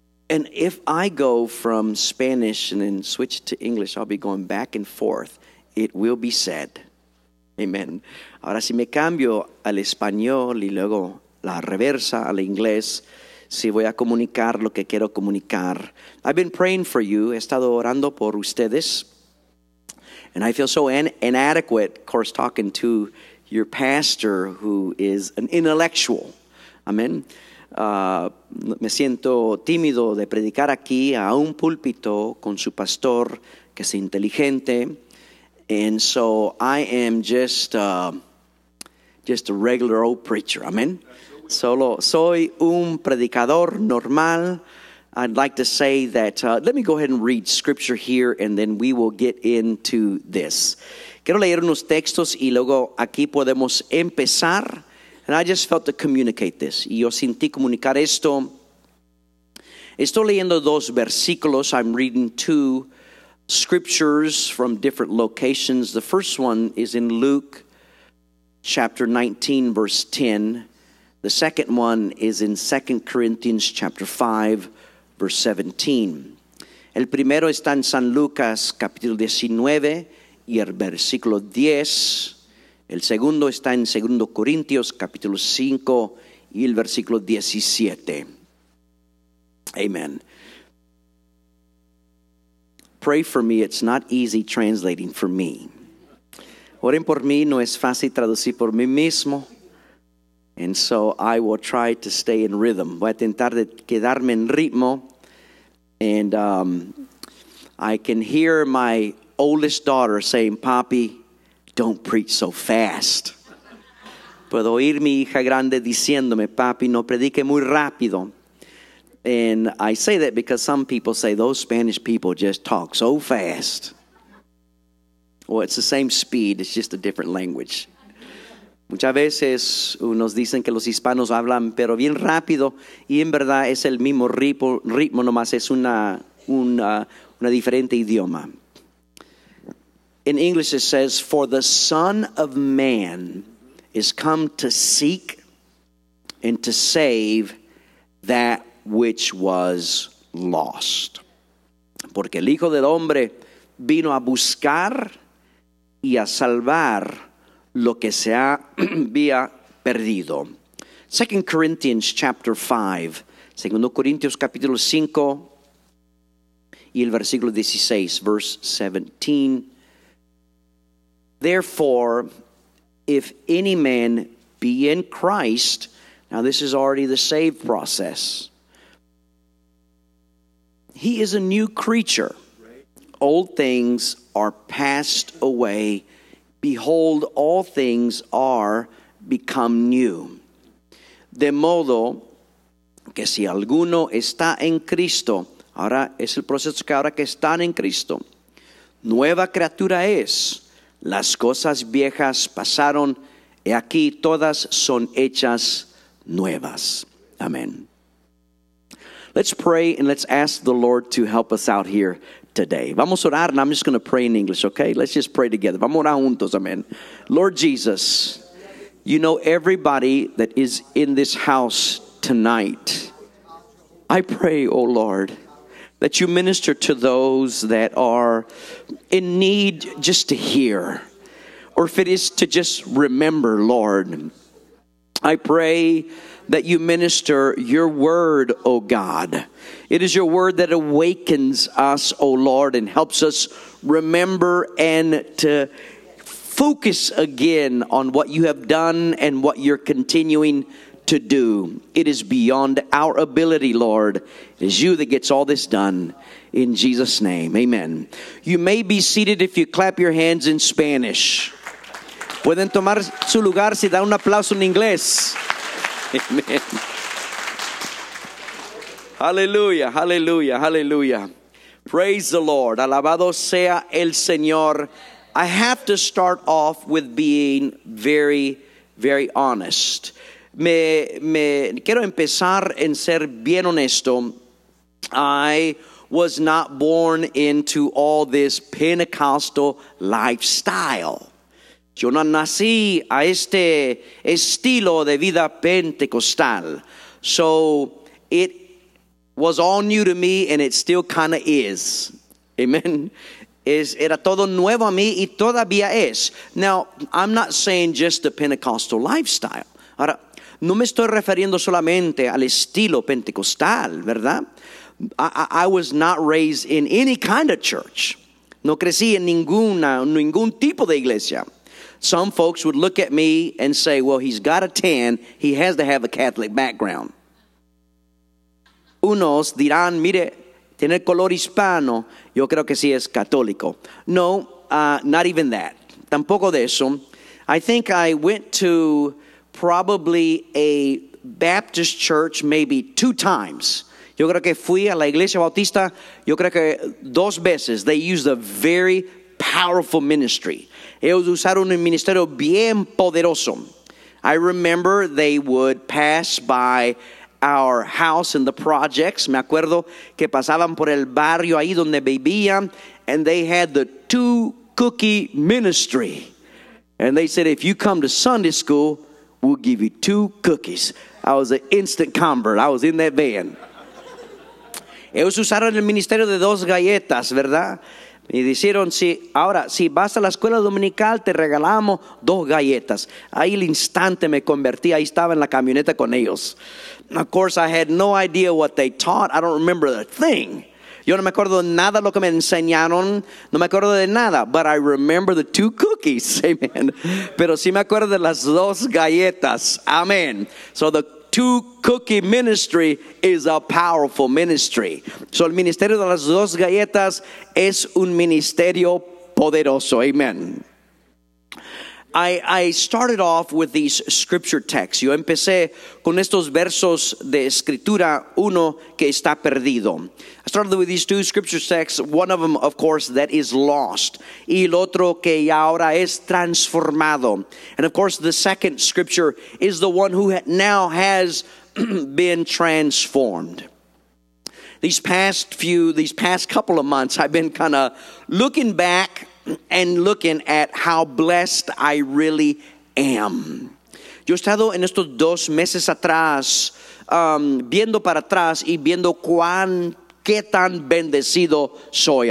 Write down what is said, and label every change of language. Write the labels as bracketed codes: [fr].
[en] And if I go from Spanish and then switch to English, I'll be going back and forth. It will be said. Amen. [es] Ahora si me cambio al español y luego la reversa al inglés. Si voy a comunicar lo que quiero comunicar. [en] I've been praying for you. [es] He estado orando por ustedes. [en] And I feel so inadequate, of course, talking to your pastor who is an intellectual. Amen. [es] Me siento tímido de predicar aquí a un púlpito con su pastor que es inteligente. [en] And so I am just a regular old preacher. Amen. [es] Solo soy un predicador normal. [en] I'd like to say that, let me go ahead and read scripture here and then we will get into this. [es] Quiero leer unos textos y luego aquí podemos empezar. [en] And I just felt to communicate this. [es] Y yo sentí comunicar esto. Estoy leyendo dos versículos. [en] I'm reading two scriptures from different locations. The first one is in Luke chapter 19, verse 10. The second one is in 2 Corinthians chapter 5, verse 17. [es] El primero está en San Lucas, capítulo 19, y el versículo 10. El segundo está en 2 Corintios, capítulo 5, y el versículo 17. Amen. [en] Pray for me, it's not easy translating for me. [es] Oren por mí, no es fácil traducir por mí mismo. [en] And so I will try to stay in rhythm. [es] Voy a tentar de quedarme en ritmo. [en] And I can hear my oldest daughter saying, Papi, don't preach so fast. [es] Puedo oír mi hija grande diciéndome, Papi, no predique muy rápido. [en] And I say that because some people say those Spanish people just talk so fast. Well, it's the same speed, it's just a different language. [es] Muchas veces nos dicen que los hispanos hablan pero bien rápido y en verdad es el mismo ritmo, nomás es una diferente idioma. [en] In English it says, for the Son of Man is come to seek and to save that which was lost. [es] Porque el Hijo del Hombre vino a buscar y a salvar lo que se había perdido. [en] 2 Corinthians chapter 5. [es] 2 Corintios capítulo 5. Y el versículo 16, [en] verse 17. Therefore, if any man be in Christ. Now this is already the save process. He is a new creature. Old things are passed away. Behold, all things are become new. [es] De modo que si alguno está en Cristo, ahora es el proceso que ahora que están en Cristo, nueva criatura es, las cosas viejas pasaron, y aquí todas son hechas nuevas. Amen. [en] Let's pray and let's ask the Lord to help us out here today. [es] Vamos a orar, [en] and I'm just going to pray in English, okay? Let's just pray together. [es] Vamos a orar juntos, amen. [en] Lord Jesus, you know everybody that is in this house tonight. I pray, oh Lord, that you minister to those that are in need just to hear, or if it is to just remember, Lord. I pray that you minister your word, O God. It is your word that awakens us, O Lord, and helps us remember and to focus again on what you have done and what you're continuing to do. It is beyond our ability, Lord. It is you that gets all this done. In Jesus' name, amen. You may be seated if you clap your hands in Spanish. [es] Pueden tomar su lugar si dan un aplauso en inglés. [en] Amen. Hallelujah, hallelujah, hallelujah. Praise the Lord. [es] Alabado sea el Señor. [en] I have to start off with being very, very honest. [es] Me quiero empezar en ser bien honesto. [en] I was not born into all this Pentecostal lifestyle. [es] Yo no nací a este estilo de vida pentecostal. [en] So it was all new to me and it still kind of is. Amen. [es] Era todo nuevo a mí y todavía es. [en] Now, I'm not saying just the Pentecostal lifestyle. [es] Ahora, no me estoy refiriendo solamente al estilo pentecostal, ¿verdad? [en] I was not raised in any kind of church. No crecí en ningún tipo de iglesia. Some folks would look at me and say, well, he's got a tan, he has to have a Catholic background. [es] Unos dirán, mire, tiene color hispano, yo creo que sí es católico. [en] No, not even that. [es] Tampoco de eso. [en] I think I went to probably a Baptist church maybe 2 times. [es] Yo creo que fui a la iglesia bautista, yo creo que 2 veces. [en] They used a very powerful ministry. [es] Ellos usaron un ministerio bien poderoso. [en] I remember they would pass by our house in the projects. [es] Me acuerdo que pasaban por el barrio ahí donde vivían, [en] and they had the two cookie ministry. And they said, if you come to Sunday school, we'll give you 2 cookies. I was an instant convert. I was in that van. [es] Ellos usaron el ministerio de 2 galletas, ¿verdad? Y dijeron, sí, ahora, si vas a la escuela dominical, te regalamos 2 galletas. Ahí el instante me convertí, ahí estaba en la camioneta con ellos. [en] Of course, I had no idea what they taught. I don't remember a thing. [es] Yo no me acuerdo de nada lo que me enseñaron. No me acuerdo de nada. [en] But I remember the 2 cookies. Amen. [es] Pero sí me acuerdo de las 2 galletas. Amen. [en] So the 2 cookie ministry is a powerful ministry. [es] So el ministerio de las 2 galletas es un ministerio poderoso. Amen. [en] I started off with these scripture texts. [es] Yo empecé con estos versos de escritura, uno que está perdido. [en] I started with these 2 scripture texts. One of them, of course, that is lost. [es] Y el otro que ahora es transformado. [en] And of course, the second scripture is the one who now has been transformed. These past couple of months, I've been kind of looking back and looking at how blessed I really am. [es] Yo he estado en estos 2 meses atrás, viendo para atrás y viendo qué tan bendecido soy.